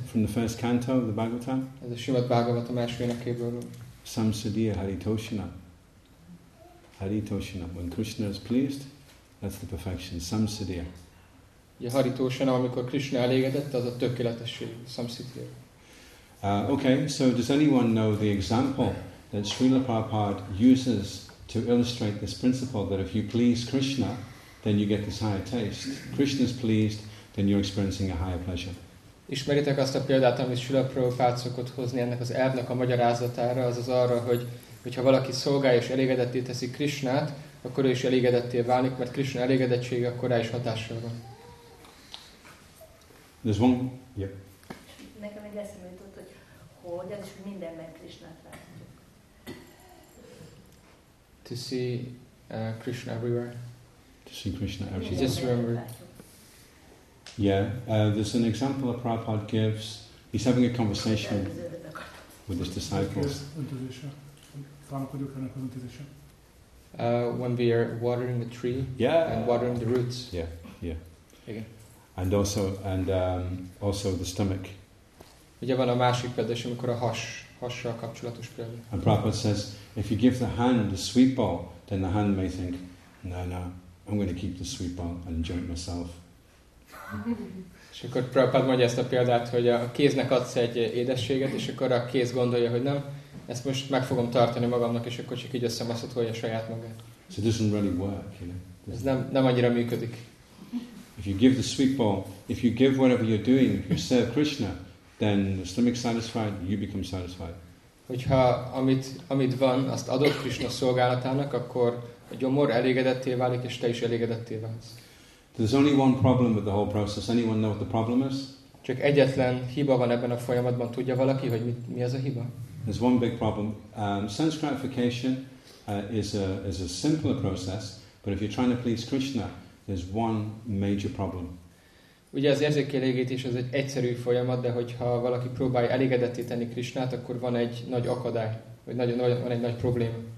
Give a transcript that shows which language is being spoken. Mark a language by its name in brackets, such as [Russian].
[English] From the first canto of the Bhagavatam. [Hungarian] Ez a Srimad Bhagavatam első énekéből. [Sanskrit] Samsadhiya Haritoshina. Haritoshina. [English] When Krishna is pleased, that's the perfection. Samsadhiya. [Hungarian] Ja, Haritoshina, amikor Krishna elégedett, az a tökéletesség. [Sanskrit] Samsadhiya. [English] Okay, so does anyone know the example that Srila Prabhupada uses to illustrate this principle that if you please Krishna, then you get this higher taste? Krishna's pleased, then you're experiencing a higher pleasure. [Hungarian] Ismeritek azt a példát, amit Srila Prabhupada szokott hozni ennek az elvnek a magyarázatára, azaz arra, hogy ha valaki szolgálja és elégedetté teszi Krishnát, akkor ő is elégedetté válik, mert Krishna elégedettsége akkor rá is hatással van. [English] There's one. Yep. [Hungarian] Nekem egy eszembe jutott, hogy az is, hogy mindenben Krishnát látjuk. [English] To see Krishna everywhere. To see Krishna everywhere. Just remember. Yeah, there's an example that Prabhupada gives. He's having a conversation with his disciples. When we are watering the tree, yeah, and watering the roots, yeah, yeah, again, and also the stomach. [Hungarian] Ugye van a másik példa, amikor a hassal kapcsolatos példa. [English] And Prabhupada says, if you give the hand a sweet ball, then the hand may think, no, I'm going to keep the sweet ball and enjoy it myself. [Hungarian] És akkor Prabhupada mondja ezt a példát, hogy a kéznek adsz egy édességet, és akkor a kéz gondolja, hogy nem, ezt most meg fogom tartani magamnak, és akkor csak így összemaszatolja saját magát. [English] So it doesn't really work, you know. [Hungarian] Ez nem annyira működik. [English] If you give the sweet ball, if you give whatever you're doing, if you serve Krishna, then the stomach satisfied, you become satisfied. [Hungarian] Hogyha amit van, azt adod Krishna szolgálatának, akkor a gyomor elégedetté válik, és te is elégedetté válsz. [English] There's only one problem with the whole process. Anyone know what the problem is? [Hungarian] Csak egyetlen hiba van ebben a folyamatban. Tudja valaki, hogy mi ez a hiba? [English] There's one big problem. Sense gratification is a simpler process, but if you're trying to please Krishna, there's one major problem. [Hungarian] Ugye az érzékelégítés az egy egyszerű folyamat, de hogyha valaki próbálja elégedetté tenni Krishnát, akkor van egy nagy akadály, vagy van egy nagy probléma.